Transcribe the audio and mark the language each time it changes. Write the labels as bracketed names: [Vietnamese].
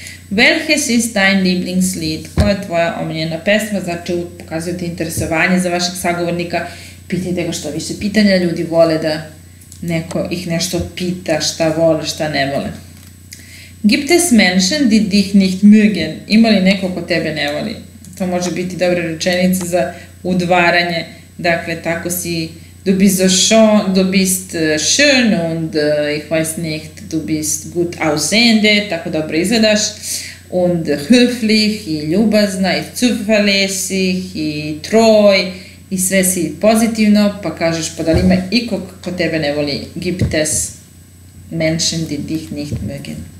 [German] Welches ist dein Lieblingslied? [Serbian] Koja je tvoja omiljena pesma? Znači, pokazujete interesovanje za vašeg sagovornika. Pitajte ga što više pitanja. Ljudi vole da neko ih nešto pita, šta vole, šta ne vole. [German] Gibt es Menschen, die dich nicht mögen? [Serbian] Ima li neko ko tebe ne voli? To može biti dobra rečenica za udvaranje. Dakle, tako si, [German] du bist so schön, du bist schön und ich weiß nicht, du bist gut aussehende, [Serbian] tako dobro izgledaš, [German] und höflich [Serbian] i ljubazna i zuverlässig i treu i sve si pozitivno, pa kažeš, pa da li ima ikog ko tebe ne voli, [German] gibt es Menschen, die dich nicht mögen.